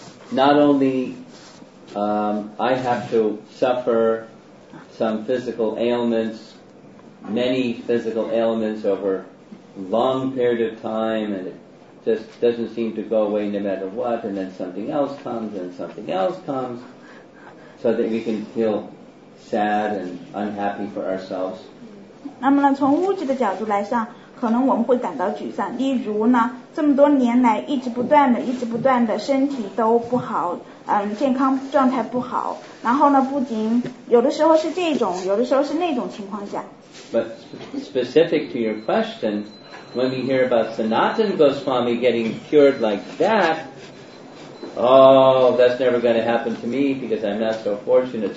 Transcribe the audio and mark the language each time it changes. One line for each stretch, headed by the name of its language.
English: Not only I have to suffer some physical ailments, many physical ailments over long period of time, and it just doesn't seem to go away no matter what, and then something else comes and something else comes, so that we can feel sad and unhappy for ourselves.
Chinese: 那么呢，从物质的角度来上，可能我们会感到沮丧，例如呢，这么多年来一直不断的身体都不好，健康状态不好，然后呢，不仅有的时候是这种，有的时候是那种情况下。
English: But specific to your question, when we hear about Sanatan Goswami getting cured like that, oh, that's never going to happen to me because I'm not so fortunate.